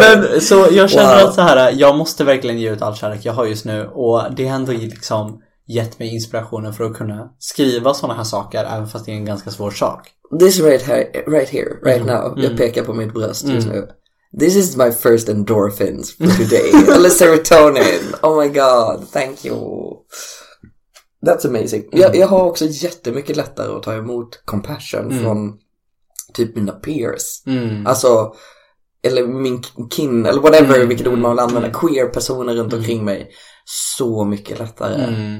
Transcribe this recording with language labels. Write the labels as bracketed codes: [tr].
[sv] Men så jag känner att såhär, jag måste verkligen ge ut all kärlek jag har just nu. Och det har ändå liksom gett mig inspirationen för att kunna skriva såna här saker, även fast det är en ganska svår sak. [en] This right here, right now. [sv] Jag pekar på mitt bröst just nu. [en] This is my first endorphins for today. [sv] Eller [en] serotonin. Oh my god, thank you. That's amazing. [sv] Jag har också jättemycket lättare att ta emot compassion från typ mina peers. Alltså, eller min kin, eller whatever, vilket ord man vill använda. Queer personer runt omkring mig. Så mycket lättare.